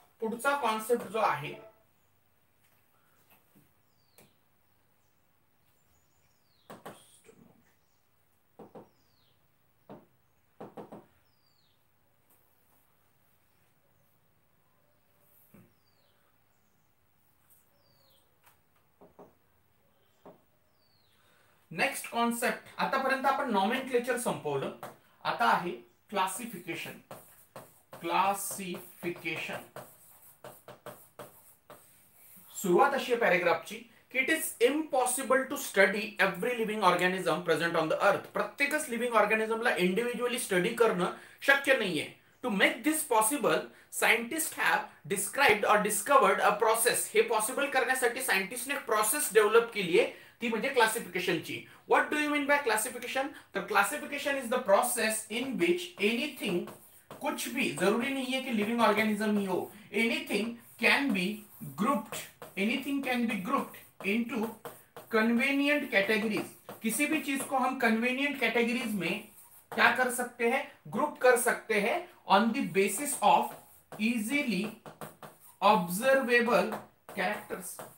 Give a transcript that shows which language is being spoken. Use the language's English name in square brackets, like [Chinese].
[Marathi] पुढचा कॉन्सेप्ट जो आहे नेक्स्ट कॉन्सेप्ट, आतापर्यंत आपण नॉमेनक्लेचर संपवलं, आता आहे क्लासिफिकेशन. क्लासिफिकेशन सुरुवात अशी आहे पॅरेग्राफची की [English] It is impossible to study every living organism present on the earth. [Marathi] प्रत्येकच लिव्हिंग ऑर्गॅनिझमला इंडिव्हिज्युअली स्टडी करणं शक्य नाहीये. [English] To make this possible scientist have described or discovered a process. [Marathi] हे पॉसिबल करण्यासाठी सायंटिस्टने एक प्रोसेस डेव्हलप केली आहे, ती म्हणजे क्लासिफिकेशनची. [English] What do you mean by classification? तर classification is the process in which anything, [Hindi] कुछ भी, जरूरी नाही आहे की लिव्हिंग ऑर्गॅनिझम ही हो, [English] Anything can be grouped, anything can be grouped into convenient categories. [Hindi] किसी भी चीज को हम कन्व्हिनियंट कॅटेगरीज में क्या कर सकते हैं, ग्रुप कर सकते हैं [English] On the basis of easily observable characters.